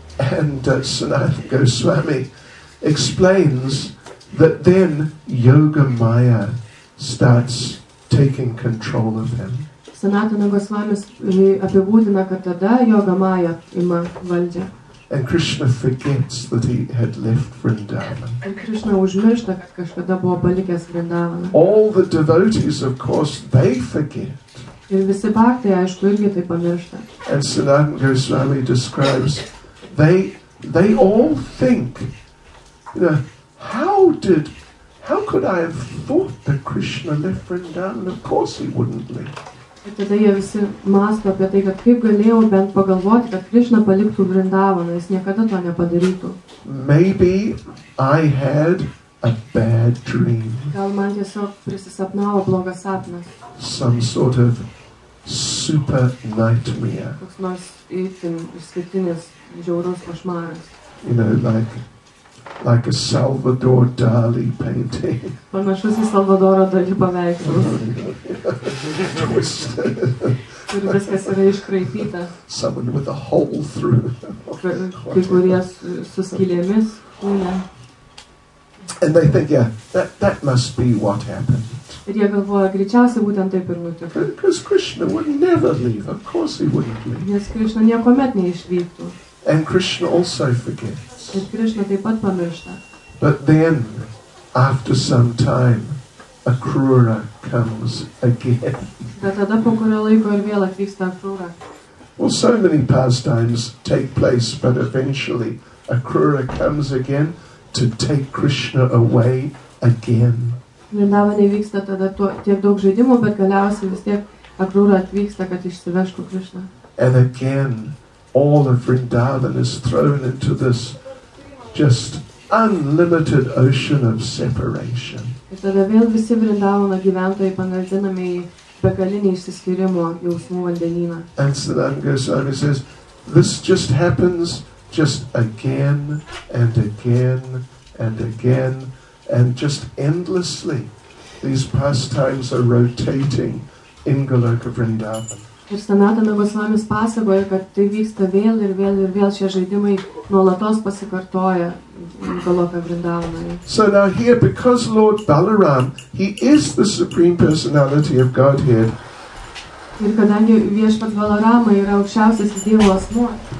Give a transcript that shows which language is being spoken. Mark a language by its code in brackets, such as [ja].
[en] And Sanatana Goswami explains that then yoga maya starts taking control of him. [lt] Sanatana Goswami apibūdina, kad tada yoga maya ima valdžią. [en] And Krishna forgets that he had left Vrindavan. [lt] Ir Krishna užmiršta, kad kažkada buvo palikęs Vrindavaną. [en] All the devotees, of course, they forget. [lt] Ir visi bhaktai, aišku, irgi tai pamiršta. [en] And Sanatana Goswami describes, they all think, you know, how could I have thought that Krishna left Vrindavan? Of course he wouldn't leave. [lt] Ir tada jie visi mąsto apie tai, kad kaip galėjau bent pagalvoti, kad Krishna paliktų Vrindavaną, jis niekada to nepadarytų. [en] Maybe I had a bad dream. [lt] Gal man tiesiog prisisapnavo blogas sapnas. [en] Some sort of super nightmare. [lt] Koks nors itin išskirtinis žiaurus košmaras. [en] You know, like a Salvador Dali painting. [lt] Panašus į Salvadoro Dali paveikslus. [en] Twisted. [lt] Kur viskas yra iškraipyta. [en] Someone with a hole through. [lt] Kai kurie su skylėmis. [en] And they think, yeah, that must be what happened. [lt] Ir jie galvoja, greičiausiai būtent taip ir nutiko. [en] Because Krishna would never leave. Of course he wouldn't leave. [lt] Nes Krishna niekuomet neišvyktų. [en] And Krishna also forgets. [lt] Ir Krishna taip pat pamiršta. [en] But then, after some time, Akrura comes again. [lt] Bet tada po kurio laiko ir vėl atvyksta Akrura. [en] Well, so many pastimes take place, but eventually Akrura comes again to take Krishna away again. [lt] Vrindavane vyksta tada tiek daug žaidimų, bet galiausiai vis tiek Akrura atvyksta, kad išsivežtų Krishna. [en] And again, all of Vrindavan is thrown into this just unlimited ocean of separation. [lt] Ir tada vėl visi Vrindavano gyventojai panardinami į begalinį išsiskyrimo jausmų vandenyną. [en] And Sanatana Goswami says, this just happens just again and again and again And just endlessly, these pastimes are rotating in Goloka Vrindavan. [lt] Ir Sanatana Goswamis pasakoja, kad tai vyksta vėl ir vėl ir vėl šie žaidimai nuolatos pasikartoja Goloka Vrindavanoje. [en] So now here, because Lord Balaram, he is the Supreme Personality of Godhead. [lt] Ir kadangi viešpat Balarama yra aukščiausias Dievo asmuo.